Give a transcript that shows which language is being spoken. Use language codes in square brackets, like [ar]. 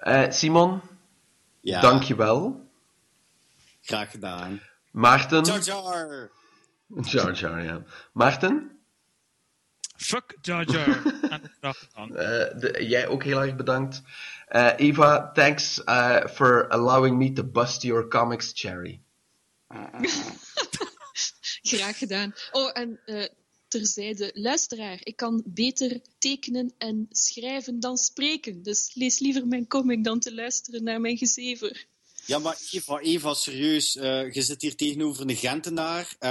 [nl] Simon, ja. Dank je wel. Graag gedaan. Maarten. Jar Jar. Jar Jar, ja. Maarten. [en] Fuck Jar Jar. [nl] jij ook heel erg bedankt. [en] Eva, thanks for allowing me to bust your comics, Cherry. [nl] Graag gedaan. Oh, en terzijde, luisteraar, ik kan beter tekenen en schrijven dan spreken. Dus lees liever mijn comic dan te luisteren naar mijn gezever. Ja, maar Eva, serieus, je zit hier tegenover een Gentenaar.